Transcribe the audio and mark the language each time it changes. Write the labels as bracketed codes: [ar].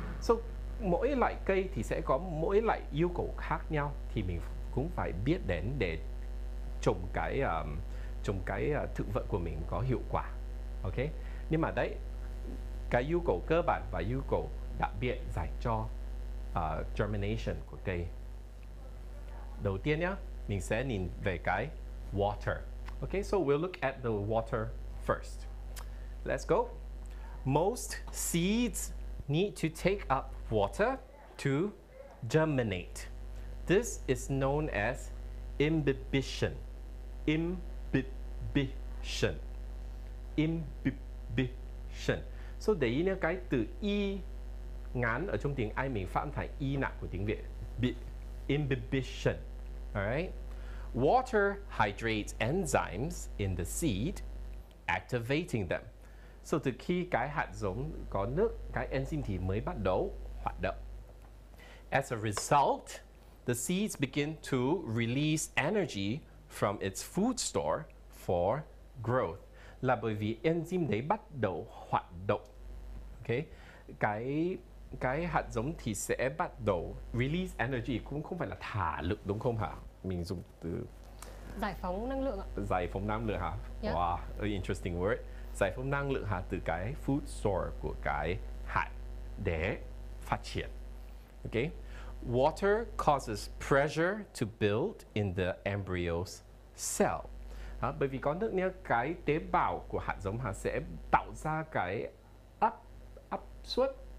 [vi] So mỗi loại cây thì sẽ có mỗi loại yêu cầu khác nhau, thì mình cũng phải biết đến để trồng cái thực vật của mình có hiệu quả. Ok, nhưng mà đấy, cái yêu cầu cơ bản và yêu cầu đặc biệt dành cho germination của cây. Đầu tiên nhá, mình sẽ nhìn về cái water. [en] Ok, so we'll look at the water first. Let's go. Most seeds need to take up water to germinate. This is known as imbibition. Imbibition. Imbibition. [vi] So để ý nhé, cái từ y ngắn ở trong tiếng Anh mình phát thành y nặng của tiếng Việt. [en] Imbibition. Alright. Water hydrates enzymes in the seed, activating them. [vi] So từ khi cái hạt giống có nước, cái enzyme thì mới bắt đầu hoạt động. [en] As a result, the seeds begin to release energy from its food store for growth. [vi] Là bởi vì enzyme đấy bắt đầu hoạt động. Okay? Cái hạt giống thì sẽ bắt đầu [en] release energy, [vi] cũng không phải là thả lực, đúng không hả? Mình dùng từ giải phóng năng lượng ạ. Giải phóng năng lượng hả? Yeah. [en] Wow, an interesting word. [vi] Giải phóng năng lượng hả, từ cái food store của cái hạt để phát triển. Okay? [en] Water causes pressure to build in the embryo's cell. [vi] À, bởi vì có nước nha, cái tế bào của hạt giống hả sẽ tạo ra cái áp suất.